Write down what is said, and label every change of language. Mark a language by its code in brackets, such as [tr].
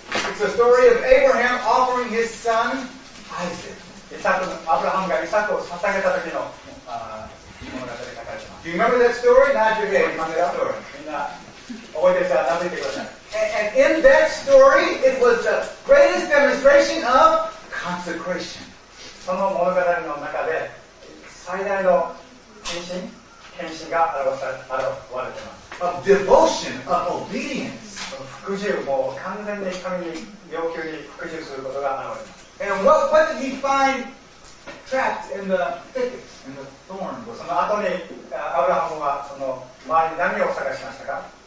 [en] It's the story of Abraham offering his son Isaac. [ja] アブラハムがイサクを捧げた時の物語が書かれてます。 [en] Do you remember that story? Nod your head. [ja] みんな覚えてるから名付いてください。 [en] And in that story, it was the greatest demonstration of consecration. [ja] その物語の中で最大の献身が表されています。 [en] Of devotion, of obedience. [ja] 服従、もう完全に神に要求に服従することが表れています。 [en] And what did he find trapped in the thickets, in the thorn? [ja] その後にアブラハムはその周りに何を探しましたか？